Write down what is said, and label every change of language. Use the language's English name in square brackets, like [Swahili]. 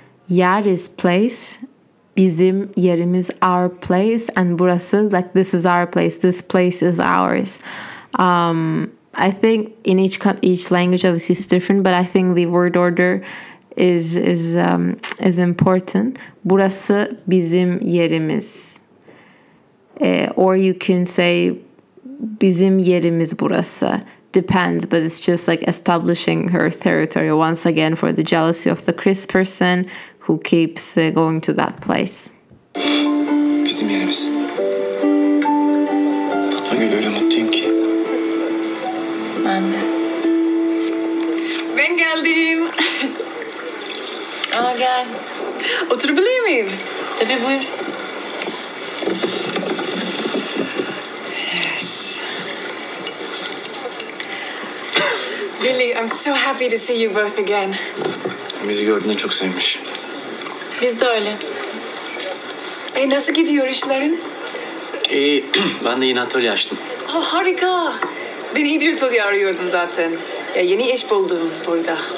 [English] Yer is place, [Turkish] bizim yerimiz [English] our place, and burası, like this is our place, this place is ours. I think in each language obviously it's different, but I think the word order is important. [Turkish] Burası bizim yerimiz. [English] Or you can say, [Turkish] bizim yerimiz burası. [English] Depends, but it's just like establishing her territory once again for the jealousy of the Chris person who keeps going to that place. [Turkish] Bizim yerimiz. Fatma Gül, öyle mutluyum ki. Ben de. Ben geldim. Aa, gel. Oturabilir miyim? Tabii, buyur. [English] Lily, I'm so happy to see you both again. [Turkish] Bizi gördüğüne çok sevmiş. Biz de öyle. Nasıl gidiyor işlerin? İyi, ben de yeni atölye açtım. Oh, harika. Beni iyi bir atölye arıyordum zaten. Ya yeni iş buldum burada.